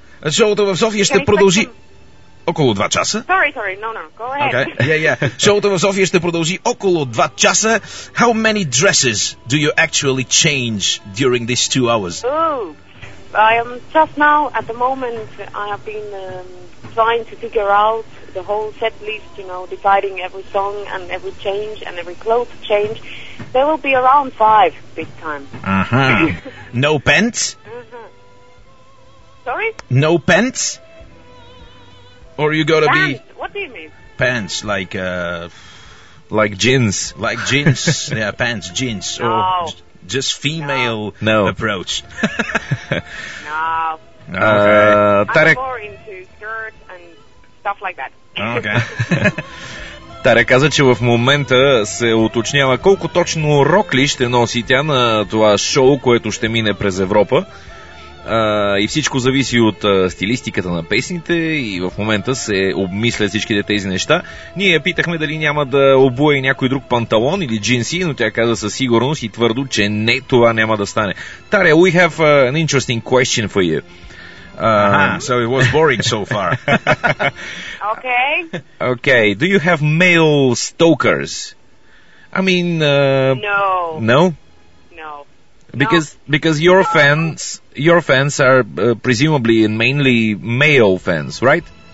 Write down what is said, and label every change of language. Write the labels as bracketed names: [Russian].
[Bulgarian] Шоуто в София ще продължи... Около 2 часа. [English] Sorry. No, go ahead. Okay. Yeah. [Bulgarian] Шоуто в София ще продължи около 2 часа. [English] How many dresses do you actually change during these 2 hours? Oh, I am just now, at the moment, I have been trying to figure out the whole set list, you know, deciding every song and every change and every clothes change. There will be around 5 big time. Uh-huh. No pants? Uh-huh. Sorry? No pants? Or are you gonna pants? Be... What do you mean? Pants, like... Like jeans. Like jeans. Yeah, pants, jeans. No. Or just female approach. No. Okay. I'm more into skirt and stuff like that. Okay. [Bulgarian] Таря каза, че в момента се уточнява колко точно рокли ще носи тя на това шоу, което ще мине през Европа. И всичко зависи от стилистиката на песните и в момента се обмисля всичките тези неща. Ние питахме дали няма да обуе някой друг панталон или джинси, но тя каза със сигурност и твърдо, че не, това няма да стане. [English] Таря, we have an interesting question for you. So it was boring so far. Okay. Okay. Do you have male stalkers? I mean, No. Because your fans are presumably and mainly male fans, right?